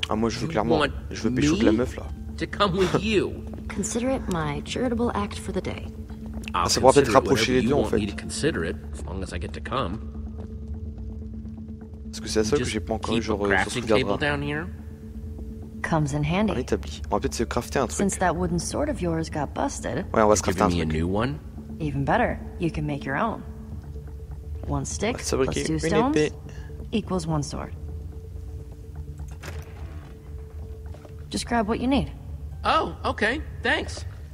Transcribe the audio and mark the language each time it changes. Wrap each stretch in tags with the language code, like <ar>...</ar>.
<fr>Ah, moi, je veux clairement, je veux pécho de la meuf là.</fr> <en>To come with you. Consider it my charitable act for the day.</en> <fr>Ah, ça pourra peut-être rapprocher les deux en fait.</fr> <en>Need to consider it, as long as I get to come.</en> <fr>Parce que c'est la seule que j'ai pas encore eu, genre sur ce gardien.</fr> <en>Comes in handy.</en> <fr>Un établi. On va peut-être se crafter un truc.</fr> <en>Since that wooden sword of yours got busted.</en> <fr>Ouais, on va se crafter un truc.</fr> <en>A new one? Even better, you can make your own. One stick plus two stones equals one sword. Just grab what you need. Oh, okay, thanks.</en>